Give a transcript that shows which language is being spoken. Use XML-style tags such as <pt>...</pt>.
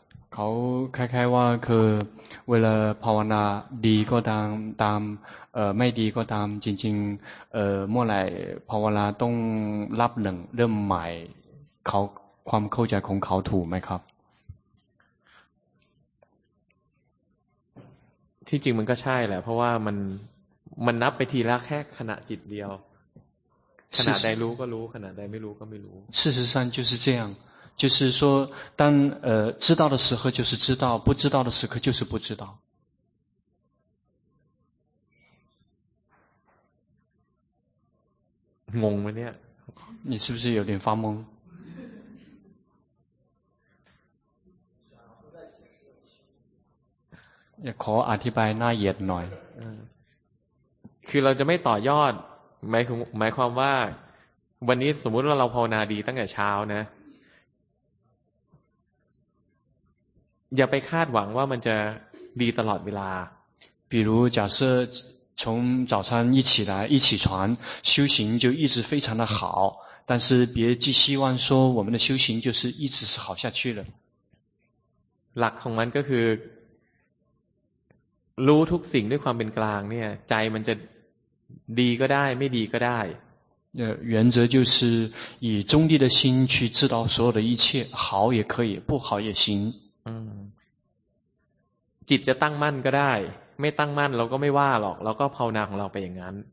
<th>เขาคล้ายๆว่าคือเวลาภาวนาดีก็ตามไม่ดีก็ตามจริงๆเมื่อไหร่ภาวนาต้องรับหนึ่งเริ่มใหม่เขาความเข้าใจของเขาถูกไหมครับ ที่จริงมันก็ใช่แหละเพราะว่ามันนับไปทีละแค่ขณะจิตเดียวขณะใดรู้ก็รู้ขณะใดไม่รู้ก็ไม่รู้</th> <zh>事实上就是这样就是说当知道的时候就是知道不知道的时刻就是不知道</zh> <th>งงไหมเนี่ย</th> <zh>你是不是有点发懵</zh> <th>ขออธิบายน่าเหยียดหน่อย คือเราจะไม่ต่อยอดหมายความว่าวันนี้สมมุติว่าเราภาวนาดีตั้งแต่เช้านะอย่าไปคาดหวังว่ามันจะดีตลอดเวลา</th> <zh>比如假设从早餐一起来一起床修行就一直非常的好但是别寄希望说我们的修行就是一直是好下去的</zh> <th>หลักของมันก็คือรู้ทุกสิ่งด้วยความเป็นกลางเนี่ยใจมันจะดีก็ได้ไม่ดีก็ได้</th> <zh>原则就是以中立的心去知道所有的一切好也可以不好也行</zh> <th>จิตจะตั้งมั่นก็ได้ไม่ตั้งมั่นเราก็ไม่ว่าหรอกเราก็ภาวนาของเราไปอย่างนั้น</th>